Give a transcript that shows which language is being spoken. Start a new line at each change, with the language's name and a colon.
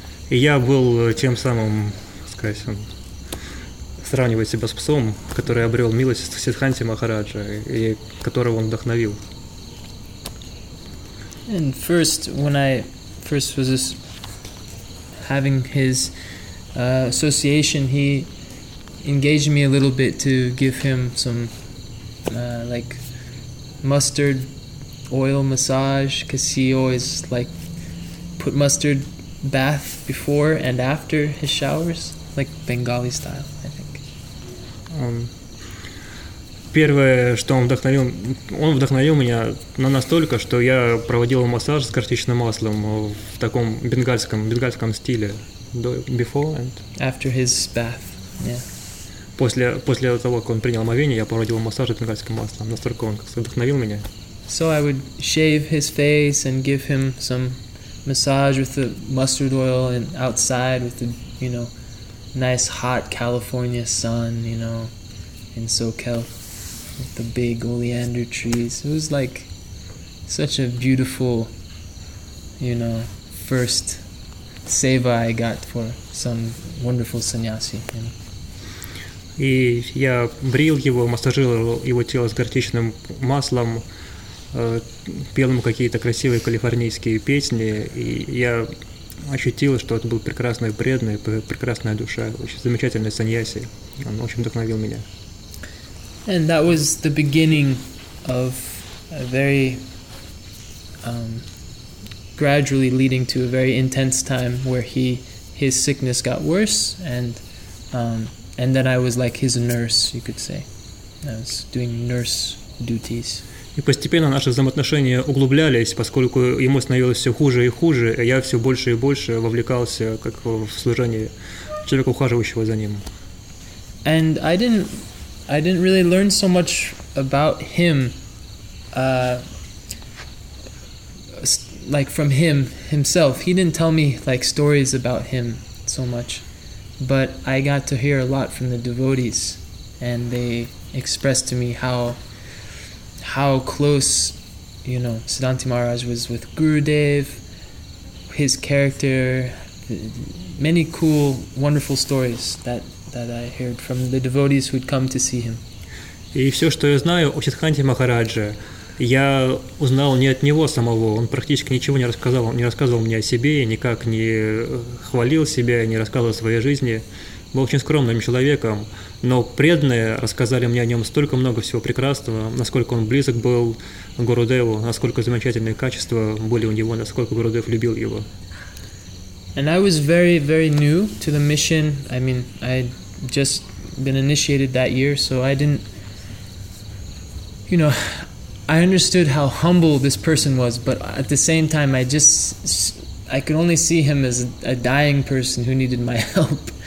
Russian: И я был тем самым, скажем, сравнивая себя с псом, который обрел милость Сиддханти Махараджа и которого он вдохновил.
English: And first, when I first was just having his association, he engaged me a little bit to give him some like mustard oil massage, because he always like put mustard bath before and after his showers, like Bengali style, I think.
Russian: Первое, что он вдохновил меня на настолько, что я проводил массаж с горчичным маслом в таком бенгальском стиле.
English: Before and after his bath, yeah.
Russian: После того, как он принял омовение, я проводил массаж с бенгальским маслом. Настолько он вдохновил меня.
English: So I would shave his face and give him some massage with the mustard oil and outside with the, you know, nice hot California sun, you know, in SoCal, with the big oleander trees. It was like such a beautiful, you know, first seva I got for some wonderful sannyasi, you know.
Russian: И я брил его, массажировал его тело с горчичным маслом, пел ему какие-то красивые калифорнийские песни, и я ощутил, что это был прекрасный преданный, прекрасная душа, очень замечательный саньяси. Он очень вдохновил меня.
English: And that was the beginning of a very gradually leading to a very intense time where his sickness got worse and then I was like his nurse, you could say. I was doing nurse duties.
Russian: И постепенно наши взаимоотношения углублялись, поскольку ему становилось все хуже и хуже, а я все больше и больше вовлекался как в служение человека, ухаживающего за ним.
English: And I didn't really learn so much about him, like from him himself. He didn't tell me like stories about him so much. But I got to hear a lot from the devotees, and they expressed to me how close, you know, Siddhanti Maharaj was with Gurudev, his character, many cool, wonderful stories that I heard from the devotees who'd come to see him.
Russian: И все, что я знаю о Сиддханте Махарадже, я узнал не от него самого. Он практически ничего не рассказывал мне о себе, и никак не хвалил себя, не рассказывал о своей жизни. Был очень скромным человеком, но преданные рассказали мне о нем столько много всего прекрасного, насколько он близок был Гурудеву, насколько замечательные качества были у него, насколько Гурудев любил его.
English: And I was very, very new to the mission. I mean, I had just been initiated that year, so I didn't, you know, I understood how humble this person was, but at the same time, I could only see him as a dying person who needed my help.